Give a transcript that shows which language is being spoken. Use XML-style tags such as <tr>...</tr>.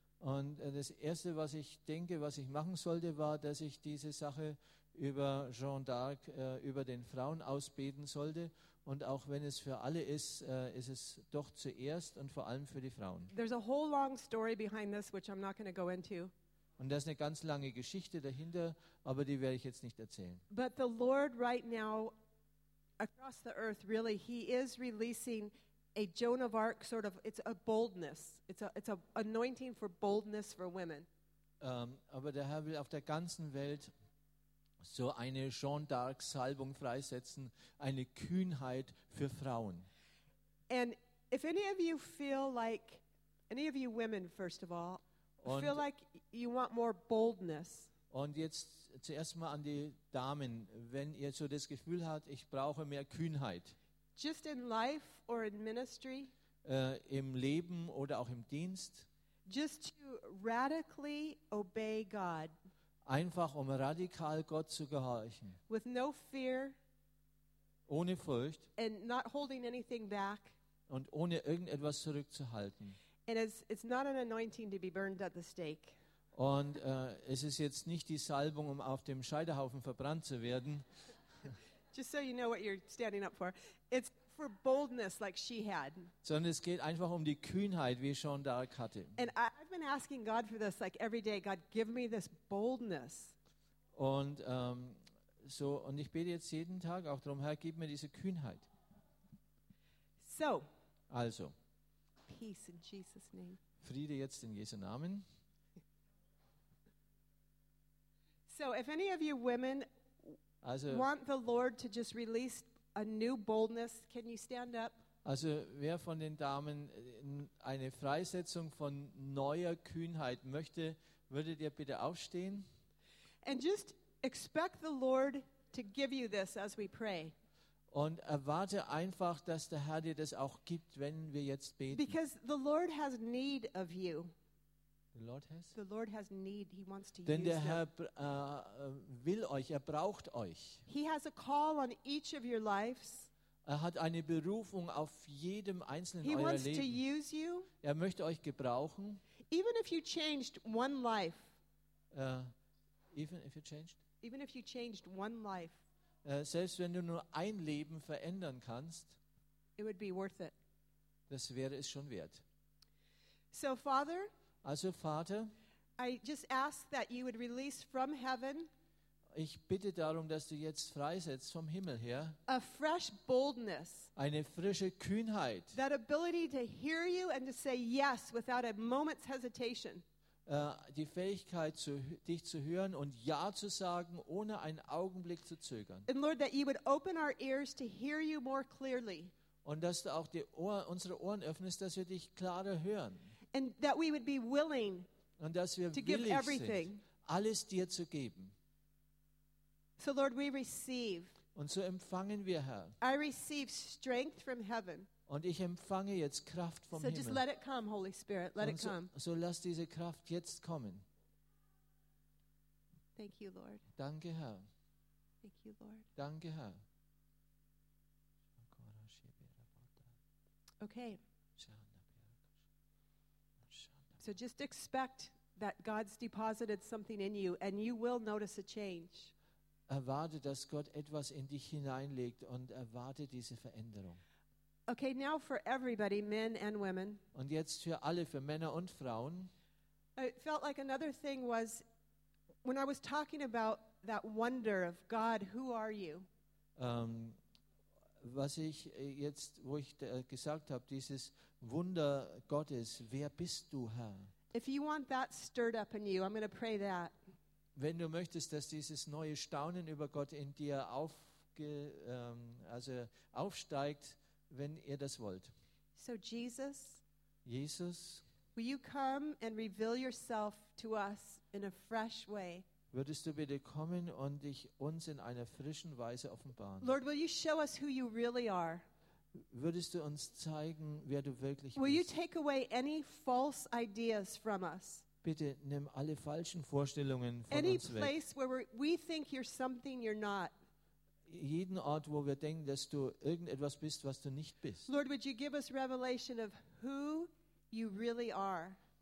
<de>Und das erste, was ich denke, was ich machen sollte, war, dass ich diese Sache über Joan d'Arc, über den Frauen ausbeten sollte, und auch wenn es für alle ist, ist es doch zuerst und vor allem für die Frauen.</de> <en>There's a whole long story behind this, which I'm not going to go into.</en> <de>Und da ist eine ganz lange Geschichte dahinter, aber die werde ich jetzt nicht erzählen.</de> <en>But the Lord right now across the earth, really, he is releasing a Joan of Arc sort of, it's a boldness. It's a anointing for boldness for women.</en> <de>Aber der Herr will auf der ganzen Welt so eine Joan d'Arc Salbung freisetzen, eine Kühnheit für Frauen.</de> <en>And if any of you feel like, any of you women, first of all, feel like you want more boldness.</en> <de>Und jetzt zuerst mal an die Damen, wenn ihr so das Gefühl habt, ich brauche mehr Kühnheit.</de> <en>Just in life or in ministry.</en> <de>Im Leben oder auch im Dienst.</de> <en>Just to radically obey God.</en> <de>Einfach um radikal Gott zu gehorchen.</de> <en>With no fear.</en> <de>Ohne Furcht.</de> <en>And not holding anything back.</en> <de>Und ohne irgendetwas zurückzuhalten.</de> <en>And it's not an anointing to be burned at the stake.</en> <de>Und es ist jetzt nicht die Salbung, um auf dem Scheiterhaufen verbrannt zu werden.</de> <en>Just so you know what you're standing up for. It's for boldness like she had.</en> <de>Sondern es geht einfach um die Kühnheit, wie Joan d'Arc hatte.</de> <en>And I've been asking God for this like every day. God, give me this boldness.</en> <de>Und und ich bete jetzt jeden Tag auch darum, Herr, gib mir diese Kühnheit.</de> <en>So.</en> <de>Also.</de> <en>Peace in Jesus' name.</en> <de>Friede jetzt in Jesu Namen.</de> <en>So if any of you women want the Lord to just release a new boldness, can you stand up?</en> <de>Also wer von den Damen eine Freisetzung von neuer Kühnheit möchte, würdet ihr bitte aufstehen?</de> <en>And just expect the Lord to give you this as we pray.</en> <de>Und erwarte einfach, dass der Herr dir das auch gibt, wenn wir jetzt beten.</de> <en>Because the Lord has need of you. The Lord has need. He wants to use you.</en> <de>Denn der Herr will euch, er braucht euch.</de> <en>He has a call on each of your lives.</en> <de>Er hat eine Berufung auf jedem einzelnen eurer Leben.</de> <en>He wants to use you.</en> <de>Er möchte euch gebrauchen.</de> <en>Even if you changed one life. Even if you changed one life.</en> <de>Selbst wenn du nur ein Leben verändern kannst.</de> <en>It would be worth it.</en> <de>Das wäre es schon wert.</de> <en>So Father,</en> <de>also Vater,</de> <en>I just ask that you would release from heaven.</en> <de>Ich bitte darum, dass du jetzt freisetzt vom Himmel her.</de> <en>A fresh boldness.</en> <de>Eine frische Kühnheit.</de> <en>That ability to hear you and to say yes without a moment's hesitation.</en> <de>Die Fähigkeit, dich zu hören und Ja zu sagen, ohne einen Augenblick zu zögern.</de> <en>And Lord, that you would open our ears to hear you more clearly.</en> <de>Und dass du auch unsere Ohren öffnest, dass wir dich klarer hören.</de> <en>And that we would be willing</en> <de>und dass wir to willig</de> <en>give everything.</en> <de>Sind, alles dir zu geben.</de> <en>So Lord, we receive.</en> <de>Und so empfangen wir, Herr.</de> <en>I receive strength from heaven.</en> <de>Und ich empfange jetzt Kraft vom</de> <en>so</en> <de>Himmel.</de> <en>So just let it come, Holy Spirit. Let</en> <de>und</de> <en>it come.</en> <de>So lass diese Kraft jetzt kommen.</de> <en>Thank you, Lord.</en> <de>Danke, Herr.</de> <en>Thank you, Lord.</en> <de>Danke, Herr.</de> <en>Okay. So just expect that God's deposited something in you and you will notice a change.</en> <de>Erwarte, dass Gott etwas in dich hineinlegt und erwarte diese Veränderung.</de> <en>Okay, now for everybody, men and women.</en> <de>Und jetzt für alle, für Männer und Frauen.</de> <en>I felt like another thing was when I was talking about that wonder of God, who are you?</en> <de>Was ich jetzt, wo ich gesagt habe, dieses Wunder Gottes, wer bist du, Herr?</de> <en>If you want that stirred up in you, I'm going to pray that.</en> <de>Wenn du möchtest, dass dieses neue Staunen über Gott in dir aufsteigt, wenn ihr das wollt.</de> <en>So Jesus, will you come and reveal yourself to us in a fresh way?</en> <de>Würdest du bitte kommen und dich uns in einer frischen Weise offenbaren?</de> <en>Lord, will you show us who you really are?</en> <de>Würdest du uns zeigen, wer du wirklich bist?</de> <en>Will you take away any false ideas from us?</en> <de>Bitte nimm alle falschen Vorstellungen von</de> <en>any</en> <de>uns weg.</de> <en>Any place where we think you're something you're not.</en> <de>Jeden Ort, wo wir denken, dass du irgendetwas bist, was du nicht bist.</de> <en>Lord, would you give us revelation of who you really are?</en>